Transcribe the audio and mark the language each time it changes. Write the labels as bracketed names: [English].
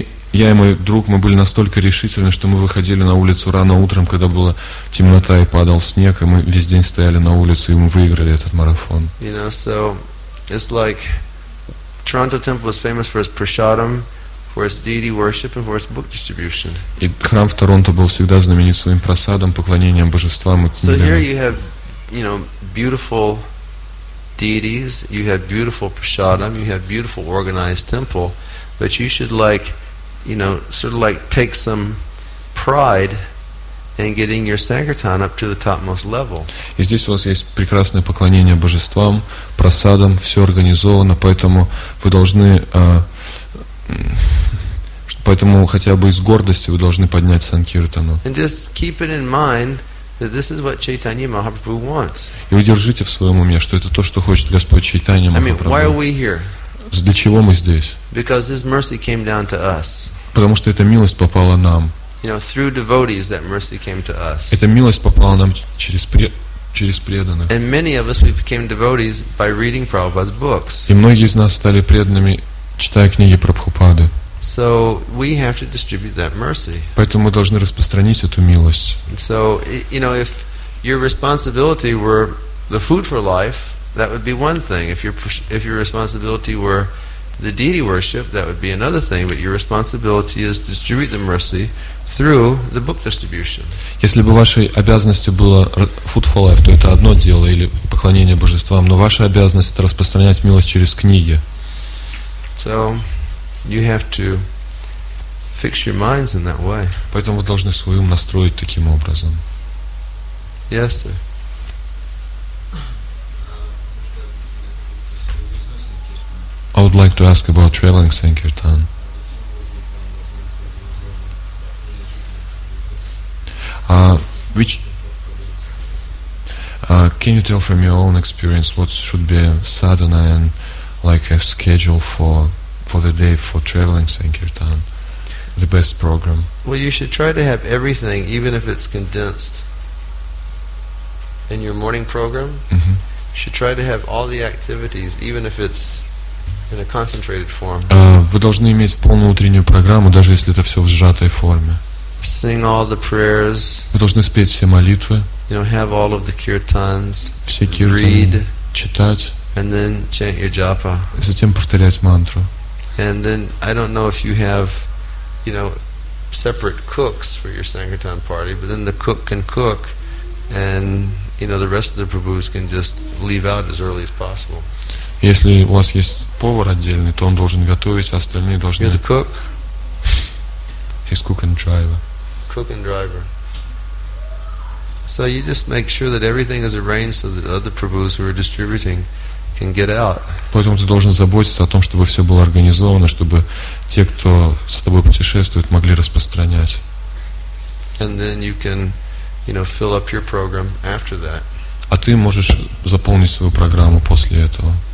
[Russian] Я и мой друг, мы были настолько решительны, что мы выходили на улицу рано утром, когда была темнота и падал снег, и мы весь день стояли на улице, и мы выиграли этот марафон. [English] You know, so it's like Toronto Temple is famous for its prasadam, for its deity worship, and for its book distribution. [Russian] И храм в Торонто был всегда знаменит своим прасадом, поклонением божествам и книгам. [English] So here you have, you know, beautiful deities, you have beautiful prasadam, you have beautiful organized temple, but you should like, you know, sort of like take some pride in getting your sankirtan up to the topmost level. [Russian] И здесь у вас есть прекрасное поклонение божествам, прасадам, все организовано, поэтому вы должны, поэтому хотя бы из гордости вы должны поднять санкиртану. [English] And just keep it in mind that this is what Chaitanya Mahaprabhu wants. [Russian] И вы держите в своем уме, что это то, что хочет Господь Чайтанья Махапрабху. [English] I mean, why are we here? [Russian] Для чего мы здесь? [English] Because His mercy came down to us. [Russian] Потому что эта милость попала нам. [English] You know, through devotees that mercy came to us. [Russian] Эта милость попала нам через преданных. [English] And many of us we became devotees by reading Prabhupada's books. [Russian] И многие из нас стали преданными, читая книги Прабхупады. [English] So we have to distribute that mercy. [Russian] Поэтому мы должны распространить эту милость. [English] And so, you know, if your responsibility were the food for life, that would be one thing. If your responsibility were the deity worship, that would be another thing. But your responsibility is to distribute the mercy through the book distribution. [Russian] Если бы вашей обязанностью было [English] food for life, [Russian] то это одно дело, или поклонение божествам. Но ваша обязанность это распространять милость через книги. [English] So you have to fix your minds in that way. [Russian] Поэтому вы должны свой ум настроить таким образом. [English] Yes, sir. I would like to ask about traveling sankirtan. Can you tell from your own experience what should be sadhana and like a schedule for the day for traveling Sankirtan, the best program. Well, you should try to have everything, even if it's condensed, in your morning program. Mm-hmm. You should try to have all the activities, even if it's in a concentrated form. [Russian] Вы должны иметь полную утреннюю программу, даже если это все в сжатой форме. [English] Sing all the prayers. [Russian] Вы должны спеть все молитвы. [English] You know, have all of the kirtans. [Russian] Все kirtan, [English] read. [Russian] Читать. [English] And then chant your japa. [Russian] И затем повторять мантру. [English] And then I don't know if you have, you know, separate cooks for your sangatan party, but then the cook can cook, and you know the rest of the prabhus can just leave out as early as possible. [Russian] Если у вас есть повар отдельный, то он должен готовить, а остальные должны. [English] You're the cook. He's cook and driver. Cook and driver. So you just make sure that everything is arranged so that other prabhus who are distributing can get out. [Russian] Поэтому ты должен заботиться о том, чтобы все было организовано, чтобы те, кто с тобой путешествует, могли распространять. А ты можешь заполнить свою программу после этого.